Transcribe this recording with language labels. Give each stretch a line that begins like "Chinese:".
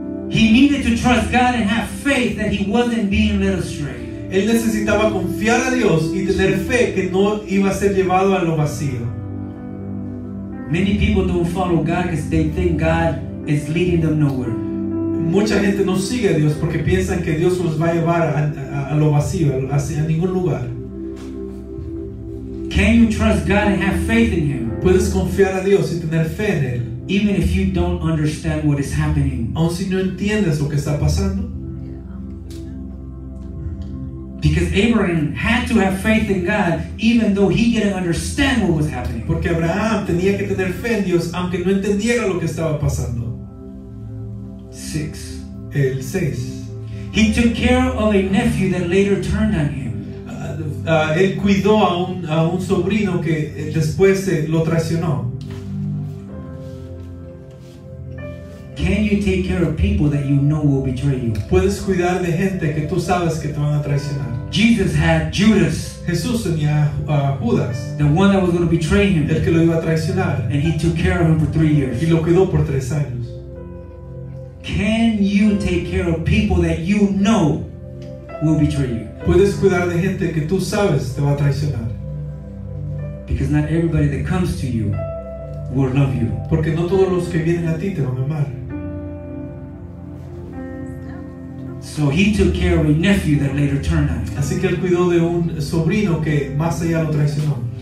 English: He needed to trust God and have faith that he wasn't being led astray.
Spanish: Él necesitaba confiar a Dios y tener fe que no iba a ser llevado a lo vacío.
English: Many people don't follow God because they think God is leading them nowhere.
Spanish: Mucha gente no sigue a Dios porque piensan que Dios los va a llevar a lo vacío, hacia ningún lugar.
English: Can you trust God and have faith in Him?
Spanish: Puedes confiar a Dios y tener fe en Él.
English: Even if you don't understand what is happening.
Spanish: Aun si no entiendes lo que está pasando.
English: Because Abraham had to have faith in God even though he didn't understand what was happening.
Spanish: Porque Abraham tenía que tener fe en Dios aunque no entendiera lo que estaba pasando.
English: 6.
Spanish: El 6.
English: He took care of a nephew that later turned on him.
Spanish: Él cuidó a un sobrino que después lo traicionó.
English: Can you take care of people that you know will betray you?
Spanish: ¿Puedes cuidar de gente que tú sabes que te van a traicionar?
English: Jesus had Judas.
Spanish: Jesús tenía Judas.
English: The one that was going to betray him.
Spanish: El que lo iba a traicionar.
English: And he took care of him for 3 years.
Spanish: Y lo cuidó por 3 años.
English: Can you take care of people that you know will betray you?
Spanish: Puedes cuidar de gente que tú sabes te va a traicionar.
English: Because not everybody that comes to you will love you.
Spanish: Porque no todos los que vienen a ti te van a amar.
English: So he took care of a nephew that later turned on him.
Spanish: Así que él cuidó de un sobrino que más allá lo traicionó.